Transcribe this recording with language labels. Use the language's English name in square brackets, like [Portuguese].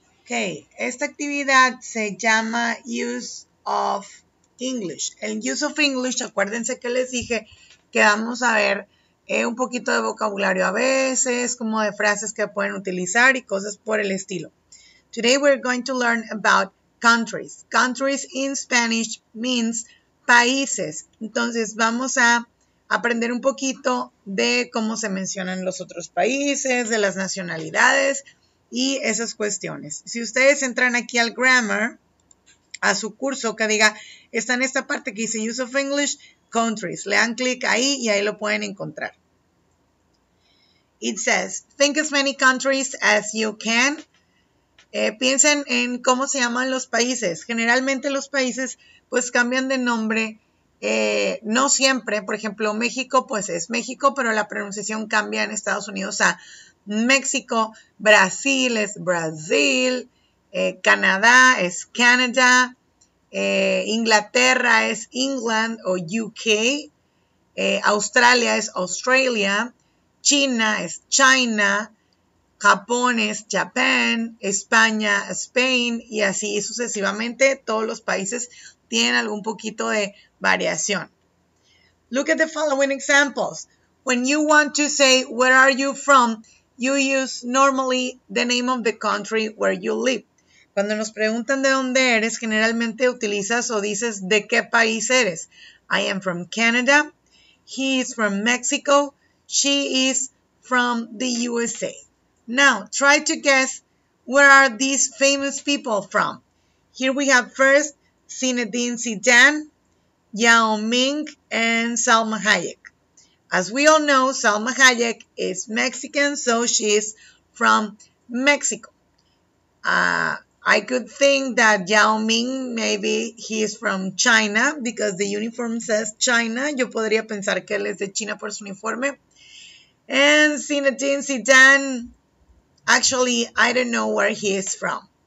[Spanish] Okay, esta actividad se llama Use of English. El Use of English, acuérdense que les dije que vamos a ver un poquito de vocabulario a veces, como de frases que pueden utilizar y cosas por el estilo. [English] Today we're going to learn about countries. Countries in Spanish means países. [Spanish] Entonces vamos a aprender un poquito de cómo se mencionan los otros países, de las nacionalidades. Y esas cuestiones. Si ustedes entran aquí al grammar, a su curso que diga, está en esta parte que dice Use of English, Countries. Le dan clic ahí y ahí lo pueden encontrar. [English] It says, think as many countries as you can. [Spanish] Piensen en cómo se llaman los países. Generalmente los países pues cambian de nombre. No siempre. Por ejemplo, México pues es México, pero la pronunciación cambia en Estados Unidos a México, Brasil es Brasil, Canadá es Canadá, Inglaterra es England o UK, Australia es Australia, China es China, Japón es Japan, España, Spain y así sucesivamente. Todos los países tienen algún poquito de variación. [English] Look at the following examples. When you want to say, where are you from? You use normally the name of the country where you live. [Spanish] Cuando nos preguntan de dónde eres, generalmente utilizas o dices de qué país eres. [English] I am from Canada. He is from Mexico. She is from the USA. Now, try to guess where are these famous people from? Here we have first Zinedine Zidane, Yao Ming, and Salma Hayek. As we all know, Salma Hayek is Mexican, so she is from Mexico. I could think that Yao Ming, maybe he is from China, because the uniform says China. [Spanish] Yo podría pensar que él es de China por su uniforme. [English] And Zinedine Zidane, actually, I don't know where he is from.